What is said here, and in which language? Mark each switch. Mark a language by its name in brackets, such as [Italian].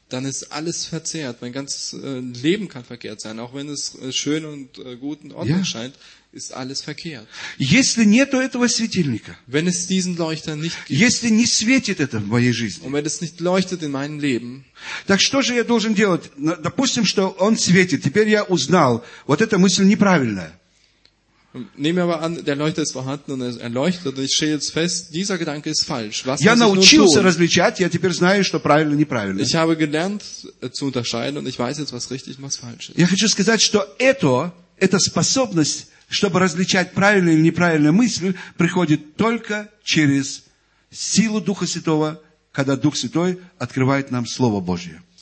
[German] dann ist alles verzerrt. Mein ganzes Leben kann verkehrt sein, auch wenn es schön und gut und ordentlich scheint. Ist alles verkehrt. [Russian] Если нету этого светильника, [German] wenn es diesen Leuchter nicht gibt, [Russian] если не светит это в моей жизни, [German] und wenn es nicht leuchtet in meinem Leben, [Russian] так что же я должен делать? Допустим, что он светит. Теперь я узнал, вот эта мысль неправильная. [German] Nehmen wir aber an, der Leuchter ist vorhanden und er leuchtet und ich stehe jetzt fest, dieser Gedanke ist falsch. Was [Russian] я научился различать, я теперь знаю, что правильно, неправильно. [German] Ich habe gelernt zu unterscheiden und ich weiß jetzt, was richtig und was falsch ist. [Russian] Я хочу сказать, что эта способность чтобы различать правильные или неправильные мысли, приходит только через силу Духа Святого, когда Дух Святой открывает нам Слово Божье.